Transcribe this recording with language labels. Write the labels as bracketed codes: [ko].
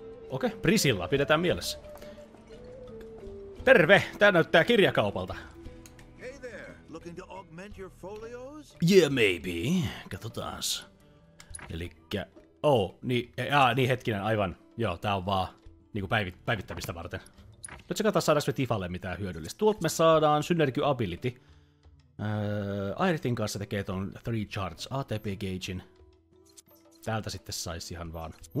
[fi] Okei, okay, Priscilla, pidetään mielessä. Terve, tää näyttää kirjakaupalta. [en] Hey there, looking to augment your folios? Yeah, maybe. [fi] Katsotaas. Elikkä, oh, niin, niin hetkinen, aivan. Joo, tää on vaan niinku päivittämistä varten. Nyt se katsotaan, saadaanko me Tifalle mitään hyödyllistä. Tuolta me saadaan Synergy Ability. Airitin kanssa tekee ton 3 charge ATP gaugein. Täältä sitten saisi ihan vaan.